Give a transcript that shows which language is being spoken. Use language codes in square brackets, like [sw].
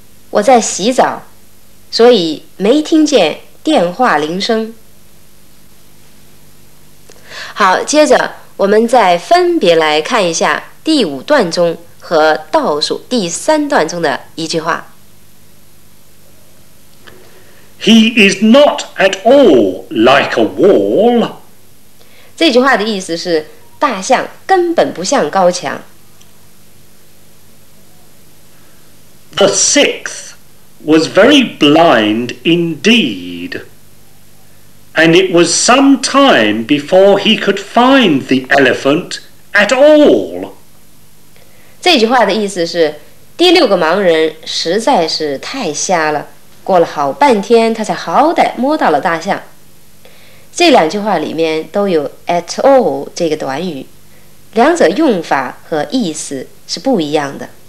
[zh] 我在洗澡，所以没听见电话铃声。好，接着我们再分别来看一下第五段中和倒数第三段中的一句话。 [en] He is not at all like a wall. [zh] 这句话的意思是大象根本不像高墙。 [en] The sixth was very blind indeed, and it was some time before he could find the elephant at all. [zh] 这句话的意思是，第六个盲人实在是太瞎了，过了好半天他才好歹摸到了大象。这两句话里面都有 at all 这个短语，两者用法和意思是不一样的。